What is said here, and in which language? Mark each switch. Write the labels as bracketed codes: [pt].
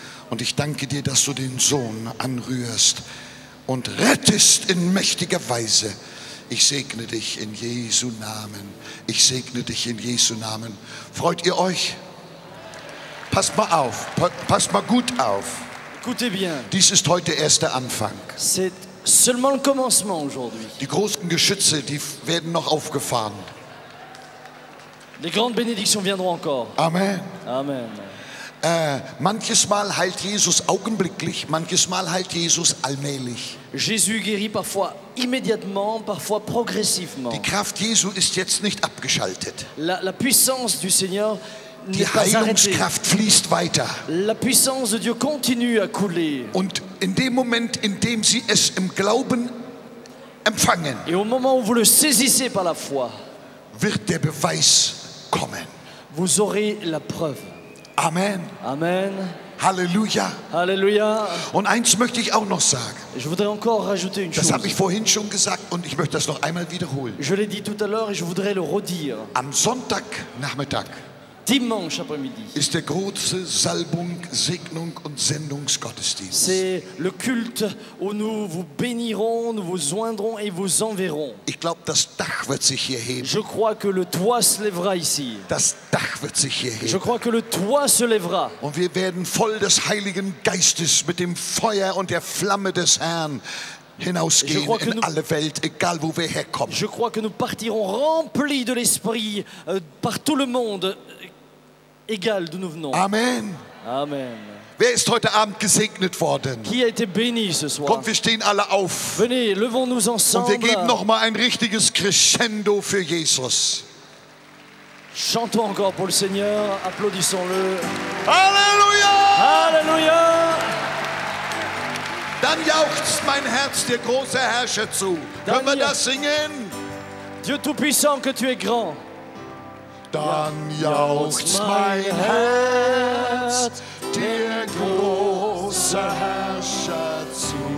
[de] Und ich danke dir, dass du den Sohn anrührst und rettest in mächtiger Weise. Ich segne dich in Jesu Namen. Ich segne dich in Jesu Namen. Freut ihr euch? Passt mal auf. Passt mal gut auf. [fr] Écoutez bien. [de] Dies ist heute erst der Anfang. [fr] Seulement le commencement aujourd'hui. [de] Die großen Geschütze, die werden noch aufgefahren. [fr] Les grandes bénédictions viendront encore. [de] Amen. [fr] Amen. [de] Manches Mal heilt Jesus augenblicklich, manches Mal heilt Jesus allmählich. [fr] Jésus guérit parfois immédiatement, parfois progressivement. [de] Die Kraft Jesu ist jetzt nicht abgeschaltet. [fr] La puissance du Seigneur. [de] Die Heilungskraft fließt weiter. [fr] La puissance de Dieu continue à couler. [de] Und in dem Moment, in dem Sie es im Glauben empfangen, [fr] et au moment où vous le saisissez par la foi, [de] wird der Beweis kommen. [fr] Vous aurez la preuve. [de] Amen. [fr] Amen. [de] Halleluja. [fr] Halleluja. [de] Und eins möchte ich auch noch sagen. [fr] Je voudrais encore rajouter une [de] das [fr] chose. [de] Habe ich vorhin schon gesagt und ich möchte das noch einmal wiederholen. [fr] Je l'ai dit tout à l'heure et je voudrais le redire. [de] Am Sonntagnachmittag [fr] dimanche après-midi. [de] Ist der große Salbung, Segnung und Sendungsgottesdienst. [fr] C'est le culte où nous vous bénirons, nous vous joindrons et vous enverrons. [de] Ich glaube, das Dach wird sich hier heben. [fr] Je crois que le toit se lèvera ici. [de] Das Dach wird sich hier heben. [fr] Je crois que le toit se lèvera. [de] Und wir werden voll des Heiligen Geistes mit dem Feuer und der Flamme des Herrn hinausgehen in [fr] nous, [de] alle Welt, egal wo wir herkommen. [fr] Je crois que nous partirons remplis de l'esprit par tout le monde. [de] Egal, [fr] d'où nous venons. [de] Amen. [fr] Amen. [de] Wer ist heute Abend gesegnet worden? [fr] Qui a été béni ce soir? [de] Kommt, wir stehen alle auf. [fr] Venez, levons-nous ensemble. [de] Und wir geben noch mal ein richtiges Crescendo für Jesus. [fr] Chantons encore pour le Seigneur, applaudissons-le. [de] Halleluja! [fr] Halleluja! [de] Dann jauchzt mein Herz dir, großer Herrscher, zu. Können wir das singen? [fr] Dieu Tout-Puissant, que tu es grand. [de] dann jauchzt mein Herz dir, großer Herrscher, zu.